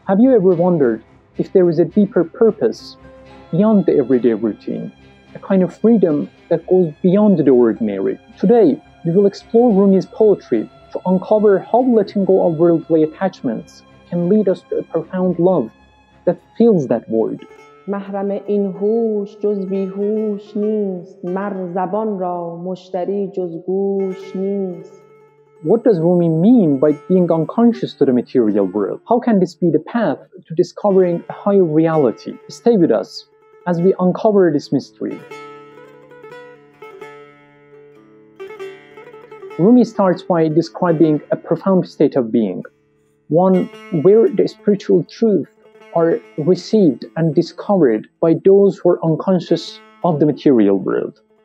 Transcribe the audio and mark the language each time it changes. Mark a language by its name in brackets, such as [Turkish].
[English] Have you ever wondered if there is a deeper purpose beyond the everyday routine, a kind of freedom that goes beyond the ordinary? Today, we will explore Rumi's poetry to uncover how letting go of worldly attachments can lead us to a profound love that fills that void. [Persian] محرم این هوش جز بی هوش نیست مر زبان را مشتری جز گوش نیست. [English] What does Rumi mean by being unconscious to the material world? How can this be the path to discovering a higher reality? Stay with us as we uncover this mystery. Rumi starts by describing a profound state of being, one where the spiritual truth are received and discovered by those who are unconscious of the material world.